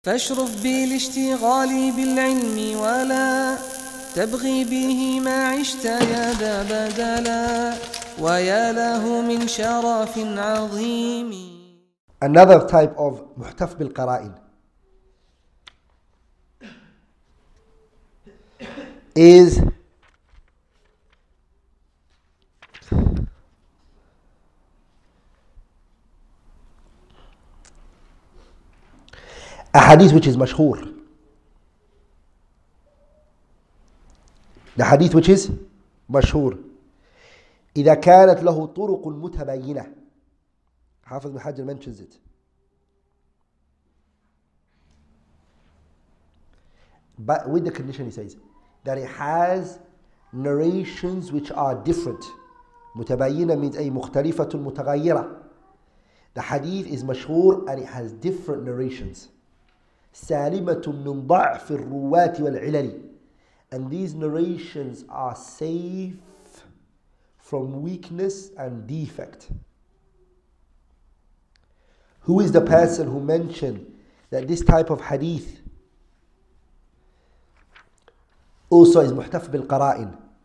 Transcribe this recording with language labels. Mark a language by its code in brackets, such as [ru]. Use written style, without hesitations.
[ar] فاشرف بالاشتغال بالعلم ولا تبغي به ما عشت يا ذا بدلا ويا له من شرف عظيم. [en] Another type of محتف بالقرائن is a hadith which is mashhur. The hadith which is mashhur. [ar] إذا كانت له طرق متباينة. [en] حافظ بن حجر mentions it. But with the condition, he says, that it has narrations which are different. [ar] متباينة [en] means [ar] أي مختلفة متغيرة. [en] The hadith is mashhur and it has different narrations. [ar] سالمة من ضعف الرواة والعلل. [en] And these narrations are safe from weakness and defect. Who is the person who mentioned that this type of hadith also is muhtaf bil qara'in?